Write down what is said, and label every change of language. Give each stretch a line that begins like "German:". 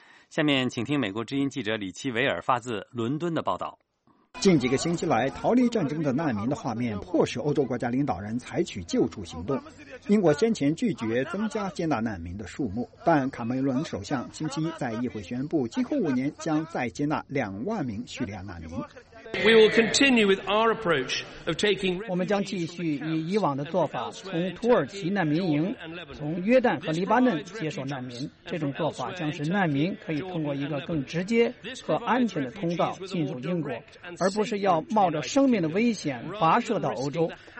Chinese: 下面请听美国之音记者李奇维尔发自伦敦的报道。近几个星期来，逃离战争的难民的画面迫使欧洲国家领导人采取救助行动。英国先前拒绝增加接纳难民的数目，但卡梅伦首相星期一在议会宣布，今后5年将再接纳20000名叙利亚难民。
English: We will continue with our approach of taking.
Chinese: 我们将继续以以往的做法，从土耳其难民营、从约旦和黎巴嫩接受难民。这种做法将使难民可以通过一个更直接和安全的通道进入英国，而不是要冒着生命的危险跋涉到欧洲。